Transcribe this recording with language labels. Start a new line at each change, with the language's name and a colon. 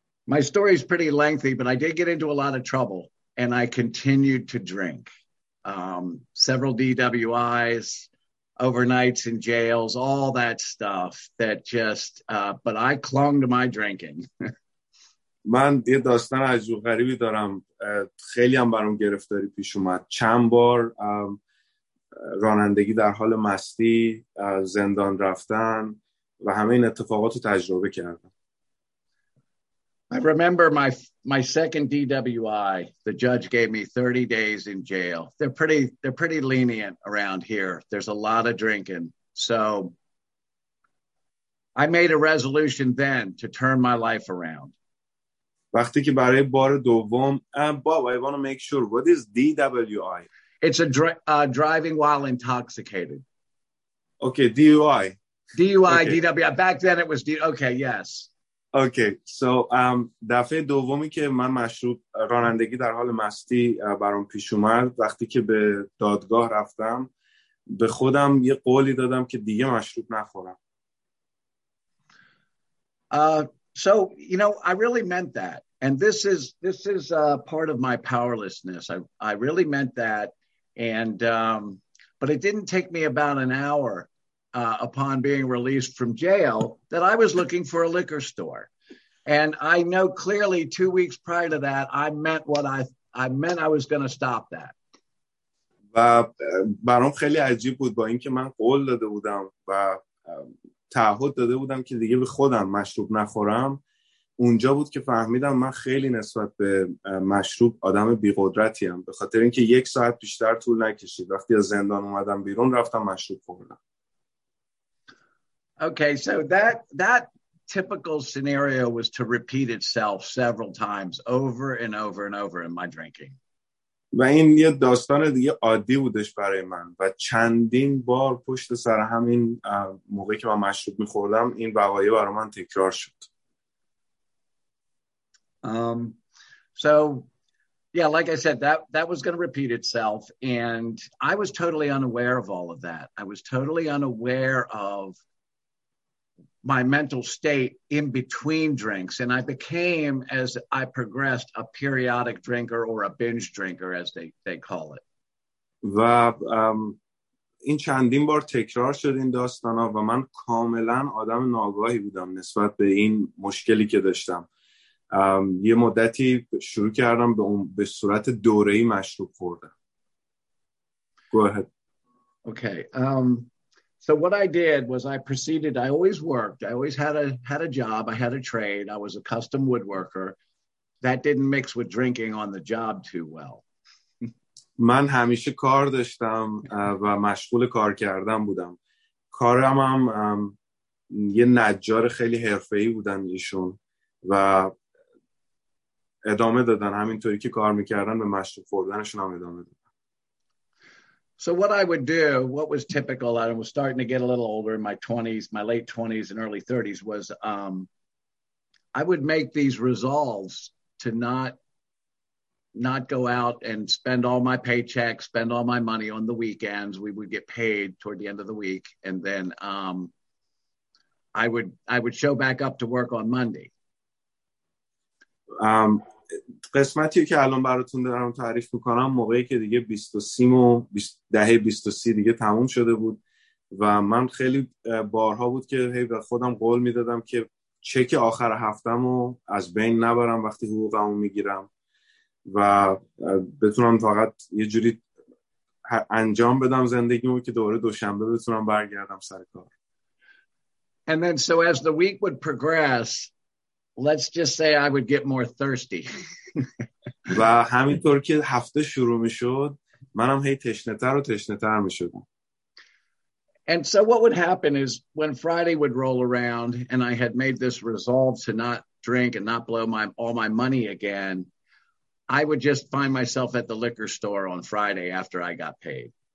English: My story is pretty lengthy, but I did get into a lot of trouble, and I continued to drink. Several DWIs, overnights in jails, all that stuff that just, but I clung to my drinking.
Persian: من یه داستان عجیب غریبی دارم. خیلی هم برام گرفتاری پیش اومد. چند بار رانندگی در حال مستی، زندان رفتن و همه این اتفاقات رو تجربه کردم.
English: I remember my second DWI. The judge gave me 30 days in jail. They're pretty lenient around here. There's a lot of drinking. So I made a resolution then to turn my life around.
Persian: وقتی که برای بار دوم باب
English: I want to make sure what is DWI? It's a driving while intoxicated. Okay, DUI. DUI, okay. DWI. Back then it was DUI. Okay, yes.
Persian: اوکی سو دفعه دومی که من مشروب رانندگی در حال مستی برام پیش اومد وقتی که به دادگاه رفتم به خودم یه قولی دادم که دیگه مشروب نخورم.
English: So you know I really meant that, and this is a part of my powerlessness. I really meant that, and but it didn't take me about an hour upon being released from jail that I was looking for a liquor store. And I know clearly 2 weeks prior to that, I meant I was going to stop that.
Persian: و برام خیلی عجیب بود با اینکه من قول داده بودم و تعهد داده بودم که دیگه به خودم مشروب نخورم. اونجا بود که فهمیدم من خیلی نسبت به مشروب آدم بی‌قدرتی‌ام به خاطر اینکه یک ساعت بیشتر طول نکشید. وقتی از زندان اومدم بیرون رفتم مشروب خوردم.
English: Okay, so that typical scenario was to repeat itself several times over and over and over in my drinking.
Persian: و این یه داستان دیگه عادی بودش برای من و چندین بار پشت سر همین موقعی که من مشروب می‌خوردم این وقایع برای من تکرار شد.
English: So yeah, like I said, that was going to repeat itself, and I was totally unaware of all of that. I was totally unaware of my mental state in between drinks, and I became, as I progressed, a periodic drinker or a binge drinker, as they call it.
Persian: و این چندین بار تکرار شد این داستانا و من کاملا آدم ناگاهی بودم نسبت به این مشکلی که داشتم. یه مدتی شروع کردم به صورت دوره‌ای مشروب خوردن.
English: Go ahead. Okay. So what I did was I proceeded, I always worked, I always had a job, I had a trade, I was a custom woodworker. That didn't mix with drinking on the job too well.
Persian: من همیشه کار داشتم و مشغول کار کردن بودم. کارم هم یه نجار خیلی حرفه‌ای بودن ایشون و ادامه دادن همینطوری که کار میکردن به مشروب خوردنشون هم ادامه دادن.
English: So what I would do, what was typical, I was starting to get a little older in my 20s, my late 20s and early 30s, was I would make these resolves to not go out and spend all my paycheck, spend all my money on the weekends. We would get paid toward the end of the week. And then I would show back up to work on Monday.
Persian: قسمتی که الان براتون دارم تعریف میکنم موقعی که دیگه 23 و دهه 23 دیگه تموم شده بود و من خیلی بارها بود که هی به خودم قول میدادم که چک آخر هفتم رو از بین نبرم وقتی حقوقم رو میگیرم و بتونم فقط یه جوری انجام بدم زندگیمو که دوباره دوشنبه بتونم برگردم سر کار.
English: And then so as the week would progress, let's just say I would get more thirsty.
Persian: و همینطور که هفته شروع میشد منم هی تشنه‌تر و تشنه‌تر میشدم.
English: And so what would happen is when Friday would roll around and I had made this resolve to not drink and not blow all my money again, I would just find myself at the liquor store on Friday after I got paid.